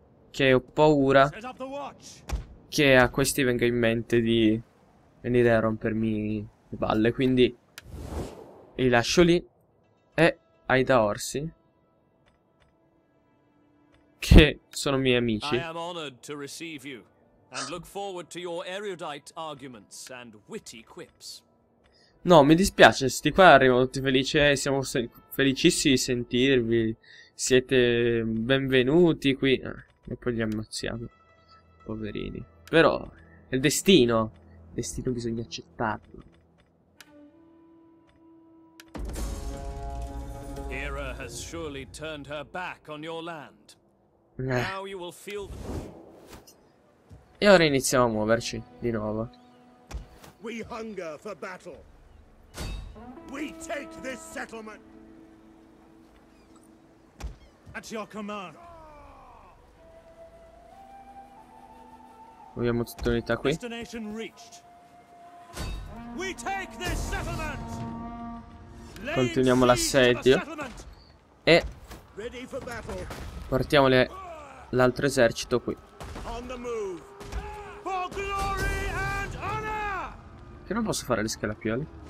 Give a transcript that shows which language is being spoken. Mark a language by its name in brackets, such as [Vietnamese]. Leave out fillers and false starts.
[Italian] Che ho paura... Che a questi venga in mente di... venire a rompermi le balle, quindi... Li lascio lì. Ai da Orsi, che sono miei amici. [English] I am honored to receive you and look forward to your erudite arguments and witty quips. [Italian] No, mi dispiace, sti qua arrivano tutti felici, siamo felicissimi di sentirvi. Siete benvenuti qui, e poi li ammazziamo, poverini. Però è il destino bisogna accettarlo. [English] Has surely turned her back on your land. Now you will feel the... [Italian] E ora iniziamo a muoverci di nuovo. [English] We hunger for battle. We take this settlement. At your command. [Italian] Vogliamo tutta l'unità qui. [English] Destination reached. We take this settlement. [Italian] Continuiamo l'assedio. E portiamo l'altro esercito qui. Che non posso fare le scalapioli?